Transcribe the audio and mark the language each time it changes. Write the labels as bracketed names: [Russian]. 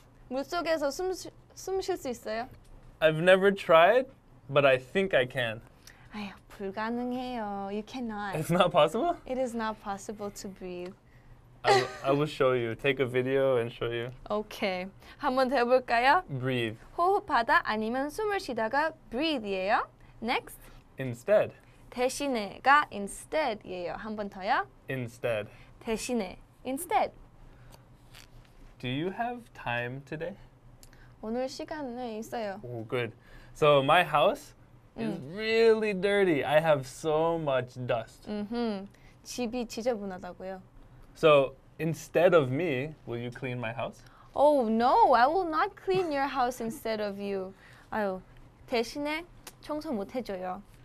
[Korean] 물속에서 숨 쉴 수 있어요? [English] I've never tried, but I think I can. [Korean] 아유, 불가능해요. [English] You cannot. It's not possible? It is not possible to breathe. I will show you. Take a video and show you. Okay. [Korean] 한번 더 해볼까요? [English] Breathe. [Korean] 호흡하다 아니면 숨을 쉬다가 breathe예요. [English] Next. Instead. [Korean] 대신에가 instead예요. 한번 더요. [English] Instead. [Korean] 대신에. [English] Instead. Do you have time today? [Korean] 오늘 시간에 있어요. [English] Oh, good. So my house is really dirty. I have so much dust. [Korean] 집이 지저분하다고요. [English] So instead of me, will you clean my house? Oh no, I will not clean your house instead of you. [Korean] 아유, 대신에 청소 못 해줘요.